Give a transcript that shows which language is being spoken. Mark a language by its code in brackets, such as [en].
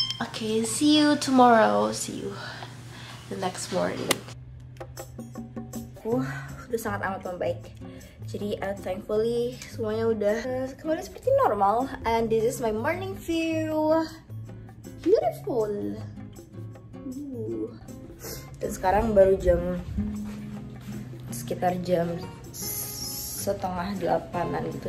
[en] Okay, see you tomorrow, see you the next morning. [id] Aku udah sangat amat membaik. Jadi, thankfully, semuanya udah kembali seperti normal. [en] And this is my morning view. Beautiful. [id] Dan sekarang baru jam sekitar jam 7:30 gitu.